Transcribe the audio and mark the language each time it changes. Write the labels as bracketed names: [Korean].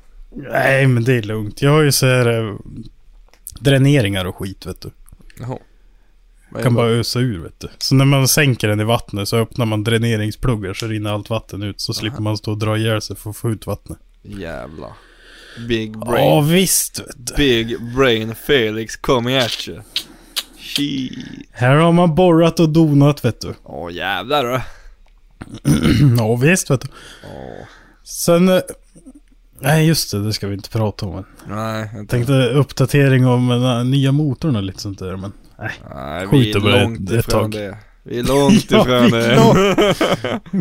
[Swedish] Nej, men det är lugnt. Jag har ju så här dräneringar och skit, vet du. Jaha. Kan bara ösa ur, vet du. Så när man sänker den i vattnet, så öppnar man dräneringspluggar, så rinner allt vatten ut. Så slipper man stå och dra ihjäl sig för att få ut vattnet. Jävla. [English] Big brain. [Swedish] Ja, visst, vet du. [English] Big brain Felix coming at you. [Swedish] Här har man borrat och donat, vet du. Åh, jävlar. Ja, visst, vet du. Åh. Sen, nej, just det ska vi inte prata om. Men. Nej, jag tänkte uppdatering om nya motorn och lite sånt där, men nej. Skit och börja ett tag. Vi är långt ifrån det.